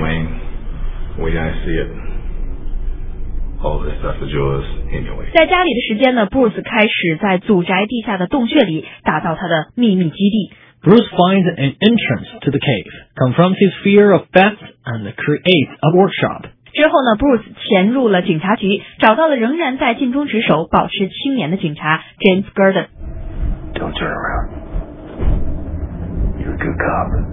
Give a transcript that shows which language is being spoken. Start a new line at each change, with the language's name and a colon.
English: Wayne, the way I see it, all this stuff is yours anyway.
Chinese: 在家里的时间呢 ,Bruce 开始在祖宅地下的洞穴里打造他的秘密基地。
English: Bruce finds an entrance to the cave, confronts his fear of theft, and creates a workshop.
Chinese: 之后呢 ,Bruce 潜入了警察局，找到了仍然在尽忠职守、保持清廉的警察 James Gordon.
English: Don't turn around. You're a good cop.